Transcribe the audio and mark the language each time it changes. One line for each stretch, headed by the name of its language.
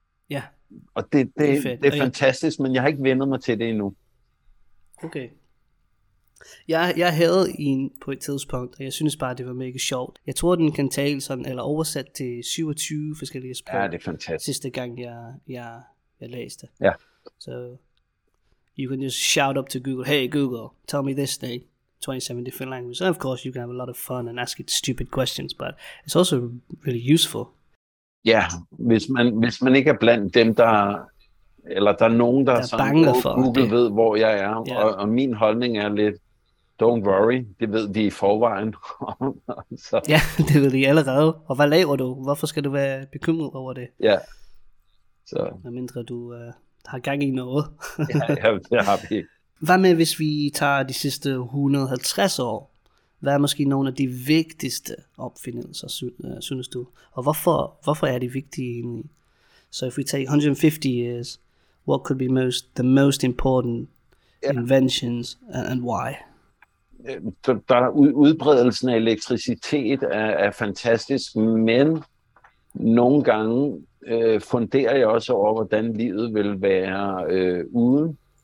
Danish: Ja. Og det er fantastisk, men jeg har ikke vendt mig til det endnu. Okay. Jeg havde en på et tidspunkt, og jeg synes bare, det var mega sjovt. Jeg tror, den kan tale sådan, eller oversat til 27 forskellige sprog. Ja, det er fantastisk. Sidste gang, jeg læste. Ja.
English: So, you can just shout up to Google, hey Google, tell me this thing, 27 different languages. And of course, you can have a lot of fun and ask it stupid questions, but it's also really useful.
Danish: Ja, hvis man ikke er blandt dem, der er nogen, der er sådan, bange for Google ved, hvor jeg er, og min holdning er lidt, Don't worry, det ved vi i forvejen. Så. Ja, det ved vi allerede. Og hvad laver du? Hvorfor skal du være bekymret over det? Ja. Så. Hvad mindre du har gang i noget. Ja, det har vi. Hvad med, hvis vi tager de sidste 150 år? Hvad er måske nogle af de vigtigste opfindelser, synes du? Og hvorfor er de vigtige egentlig?
English: So if we take 150 years, what could be the most important inventions and why?
Danish: Der udbredelsen af elektricitet er fantastisk, men nogle gange funderer jeg også over, hvordan livet vil være uden.